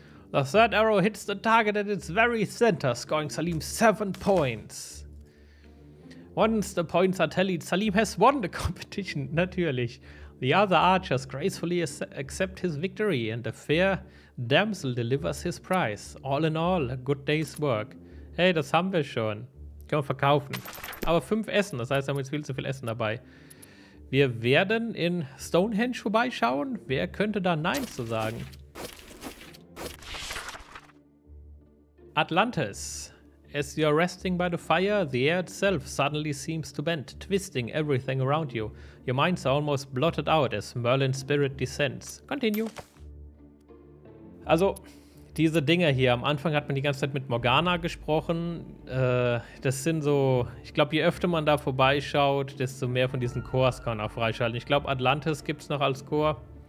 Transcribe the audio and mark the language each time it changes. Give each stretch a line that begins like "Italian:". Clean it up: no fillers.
English: The third arrow hits the target at its very center, scoring Salim 7 points. Once the points are tallied, Salim has won the competition, natürlich. The other archers gracefully accept his victory and the fair damsel delivers his prize. All in all, a good day's work.
German: Hey, das haben wir schon. Können wir verkaufen. Aber 5 Essen, das heißt, wir haben jetzt viel zu viel Essen dabei. Wir werden in Stonehenge vorbeischauen. Wer könnte da Nein zu sagen?
English: Atlantis. As you are resting by the fire, the air itself suddenly seems to bend, twisting everything around you. Your minds are almost blotted out as Merlin's spirit descends. Continue.
German: Also, diese Dinger hier. Am Anfang hat man die ganze Zeit mit Morgana gesprochen. Das sind so, ich glaube, je öfter man da vorbeischaut, desto mehr von diesen Chors kann man auch freischalten. Ich glaube, Atlantis gibt es noch als Chor.